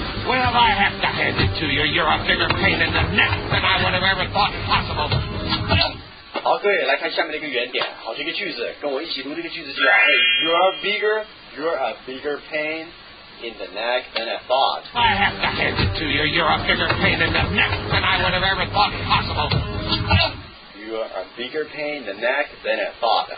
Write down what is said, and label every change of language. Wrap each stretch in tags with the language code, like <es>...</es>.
<en>Well, I have to hand it to you. You're a bigger pain in the neck than I would have ever thought possible.</en> <zh>好，各位来看下面的一个原点。好，这个句子跟我一起读这个句子就好。</zh> <en>You're a bigger pain in the neck than I thought. I have to hand it to you. You're a bigger pain in the neck than I would have ever thought possible. You're a bigger pain in the neck than I thought.</en>